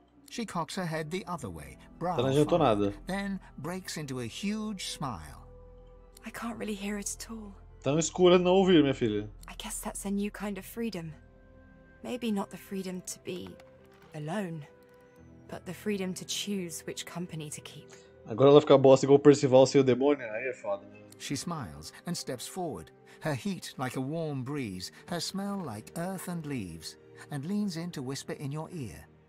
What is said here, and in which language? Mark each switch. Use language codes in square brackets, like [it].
[en] She cocks her head the other way, then breaks into a huge smile. I can't really hear it at all. [pt] Tão escuro não ouvir, minha filha. [en] I guess that's a new kind of freedom. Maybe not the freedom to be alone, but the freedom to choose which company to keep. [pt] Agora ela fica bosta igual o Percival sem o demônio, aí é foda. [en] She smiles and steps forward, her heat like a warm breeze, her smell like earth and leaves, and leans in to whisper in your ear.